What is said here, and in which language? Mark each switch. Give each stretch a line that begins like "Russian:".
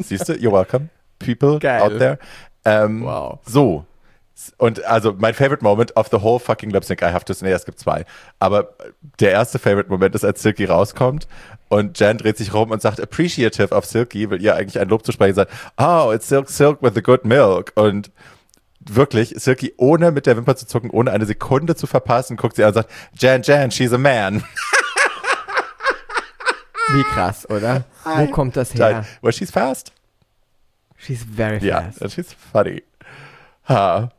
German: Siehst du?
English: You're welcome. People geil. Out there. Wow.
German: So. Und also, mein
English: favorite moment of the whole fucking lip sync, I have to say,
German: es gibt zwei. Aber der erste
English: favorite moment
German: ist, als Silky rauskommt und Jen dreht sich rum und sagt appreciative auf Silky, will ihr eigentlich ein Lob zu sprechen sein.
English: Oh, it's Silk with the good milk.
German: Und wirklich, Silky, ohne mit der Wimper zu zucken, ohne eine Sekunde zu verpassen, guckt sie an und sagt, Jen,
English: she's a man.
German: Wie krass, oder? Wo kommt das her?
English: Well, she's fast. She's very fast. Yeah, and she's funny. Ha.